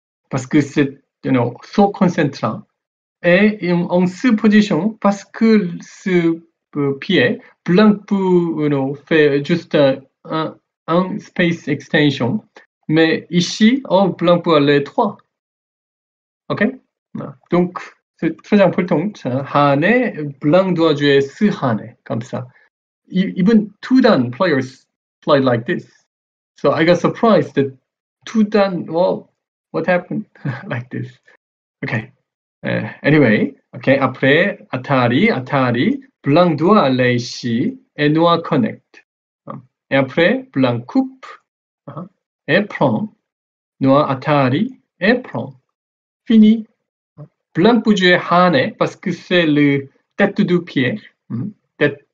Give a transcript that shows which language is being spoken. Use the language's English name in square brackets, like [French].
[French] Parce que c'est so concentrant. Et en cette position, parce que ce pied, blanc peut faire juste un space extension. Mais ici, oh, blanc peut aller 3. OK? Donc, c'est très important. Hane, blanc doit jouer ce Hane, comme ça. [English] Even Tudan players played like this. So I got surprised that Tudan, well, what happened like this? [French] Après, Atari, blanc doit aller ici et noir connect. Et après, blanc coupe et prend. Noir Atari et prend. Fini. Blanc peut jouer Hane parce que c'est le tête du pied, tête